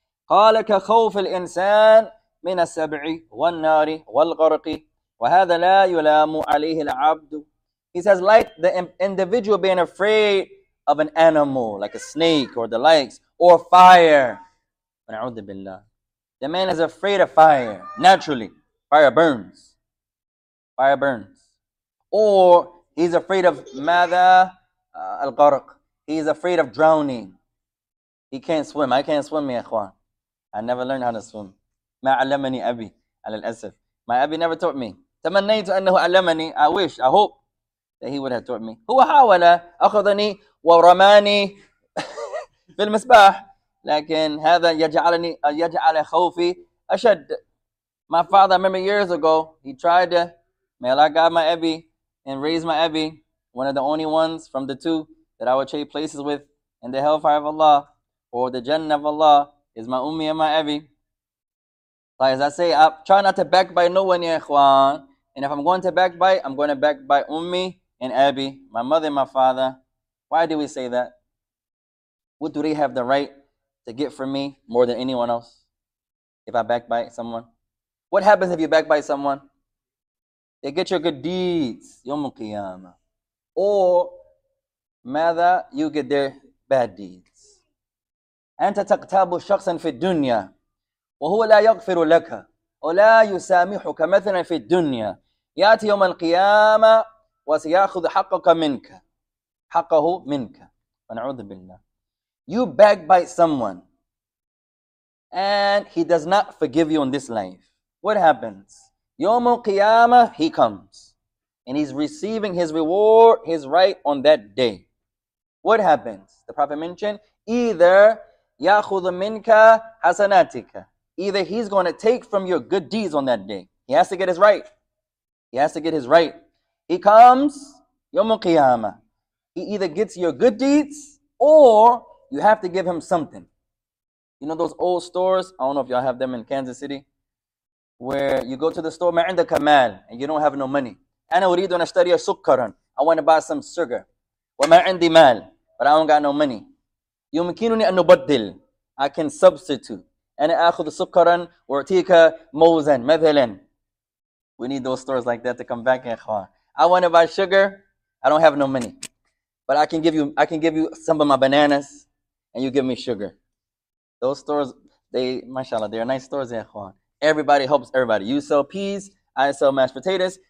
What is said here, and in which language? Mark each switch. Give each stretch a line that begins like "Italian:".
Arabic: قال كخوف الإنسان من السبع والنار والغرق. وهذا لا يلام عليه العبد.
English: He says, like the individual being afraid of an animal, like a snake or the likes, or fire.
Arabic: ونعوذ بالله.
English: The man is afraid of fire, naturally. Fire burns. Fire burns. Or he's afraid of
Arabic: ماذا الغرق.
English: He's afraid of drowning. He can't swim. I can't swim, يا إخوان. I never learned how to swim.
Arabic: ما علمني أبي على الأسف.
English: My Abi never taught me.
Arabic: تمنيت أنه علمني.
English: I wish, I hope that he would have taught me.
Arabic: هو حاول أخذني ورماني في المسبح. لكن هذا يجعلني يجعل خوفي أشد.
English: My father, I remember years ago, he tried to, may Allah guide my Abi and raise my Abi, one of the only ones from the two that I would trade places with in the hellfire of Allah or the Jannah of Allah is my Ummi and my Abi. Like as I say, I try not to backbite no one, ya ikhwan. And if I'm going to backbite, I'm going to backbite Ummi and Abi, my mother and my father. Why do we say that? What do they have the right to get from me more than anyone else if I backbite someone? What happens if you backbite someone? They get your good deeds, يوم القيامة. Or, ماذا, you get their bad deeds.
Arabic: أنت تقتاب شخصا في الدنيا. وهو لا يغفر لك ولا يسامحك مثلا في الدنيا يأتي يوم القيامة وسيأخذ حقك منك حقه منك ونعوذ بالله.
English: You backbite someone and he does not forgive you in this life. What happens? يوم القيامة he comes and he's receiving his reward, his right on that day. What happens? The Prophet mentioned either
Arabic: يأخذ منك حسناتك.
English: Either he's going to take from your good deeds on that day. He has to get his right. He has to get his right. He comes, يوم القيامة. He either gets your good deeds or you have to give him something. You know those old stores? I don't know if y'all have them in Kansas City. where you go to the store,
Arabic: ما عندك مال,
English: and you don't have no money.
Arabic: أنا أريد أن أشتري سكرا.
English: I want to buy some sugar.
Arabic: وما عندي مال,
English: but I don't got no money.
Arabic: يمكنني أن أبدل.
English: I can substitute.
Arabic: أنا أخذ سكرا وأعطيك موزا مثلا.
English: We need those stores like that to come back, إخوان. I want to buy sugar. I don't have no money, but I can give you some of my bananas, and you give me sugar. Those stores, they, mashallah, they are nice stores, ya ikhwan. Everybody helps everybody. You sell peas, I sell mashed potatoes.